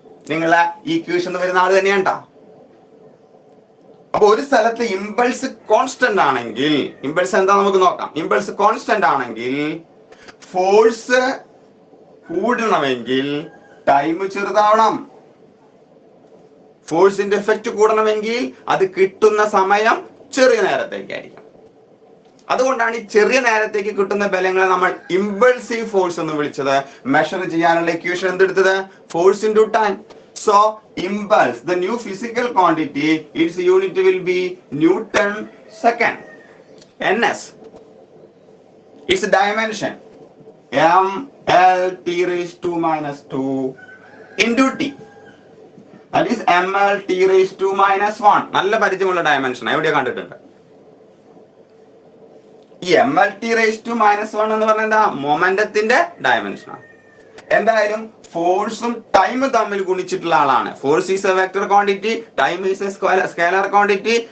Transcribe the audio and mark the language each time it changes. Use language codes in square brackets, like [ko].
[ml] നിങ്ങളെ ഇക്വേഷൻ എന്ന് വരുന്ന ആൾ തന്നെയാണ്. അപ്പൊ ഒരു സ്ഥലത്ത് ഇമ്പൾസ് കോൺസ്റ്റന്റ് ആണെങ്കിൽ, ഇമ്പൾസ് എന്താ നമുക്ക് നോക്കാം, ഇമ്പൾസ് കോൺസ്റ്റന്റ് ആണെങ്കിൽ ഫോഴ്സ് കൂടണമെങ്കിൽ ടൈം ചെറുതാവണം. ഫോഴ്സിന്റെ എഫക്റ്റ് കൂടണമെങ്കിൽ അത് കിട്ടുന്ന സമയം ചെറിയ നേരത്തേക്കായിരിക്കും. അതുകൊണ്ടാണ് ഈ ചെറിയ നേരത്തേക്ക് കിട്ടുന്ന ബലങ്ങളെ നമ്മൾ ഇമ്പൾസീവ് ഫോഴ്സ് എന്ന് വിളിച്ചത്. മെഷർ ചെയ്യാനുള്ള equation എന്തെടുത്തത്, force into time. [en] So, impulse, the new physical quantity, its unit will be Newton second, NS. Its dimension, MLT raised to minus 2 into T. That is MLT raised to minus 1. [ml] നല്ല പരിചയമുള്ള dimension, എവിടെയാ കണ്ടിട്ടുണ്ട്? ഈ [en] MLT raised to minus 1 [ml] എന്ന് പറഞ്ഞാൽ എന്താ, മൊമെന്റത്തിന്റെ dimension ആണ്. എന്തായാലും ഫോഴ്സും ടൈമും തമ്മിൽ ഗുണിച്ചിട്ടുള്ള ആളാണ്. [en] Force is a vector quantity, time is a scalar quantity.